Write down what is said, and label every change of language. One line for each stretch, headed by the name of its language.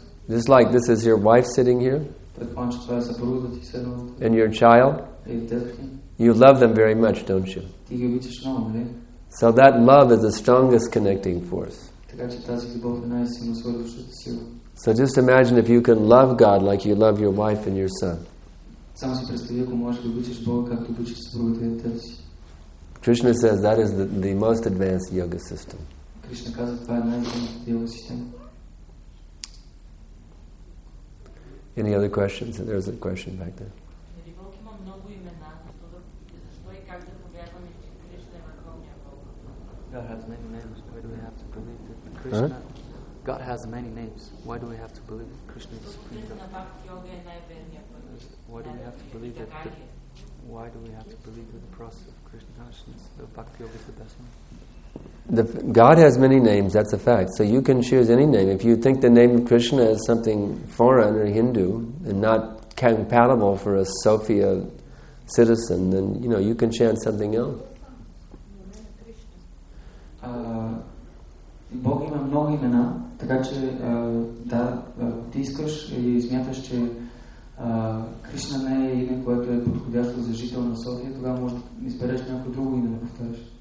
English: Just like this is your wife sitting here, and your child, you love them very much, don't you?
Bulgarian: Ти ги обичаш много, нали?
English: So that love is the strongest connecting force.
Bulgarian: Така че тази любов е най-силна свързваща сила.
English: So just imagine if you can love God like you love your wife and your son.
Bulgarian: Само си представи, ако можеш да обичаш Бога както обичаш съпругата и детето си.
English: Krishna says that is the most advanced yoga system.
Bulgarian: Krishna казва, това е най-силната йога система.
English: Any other questions? There's a question back there. God has many names. Why do we have to believe that Krishna? Huh? God has many names. Why do we have to believe that Krishna is supreme? Why do we have to believe that the process of Krishna consciousness, the bhakti yoga, is the best one? God has many names, that's a fact. So you can choose any name. If you think the name of Krishna is something foreign or Hindu and not compatible for a Sophia citizen, then you know you can chant something else.
Bulgarian: Бог има много имена, така че да, ти искаш и смяташ, че Кришна не е име, което е подходящо за жител на София, тогава може да избереш някакво друго име да повтаряш.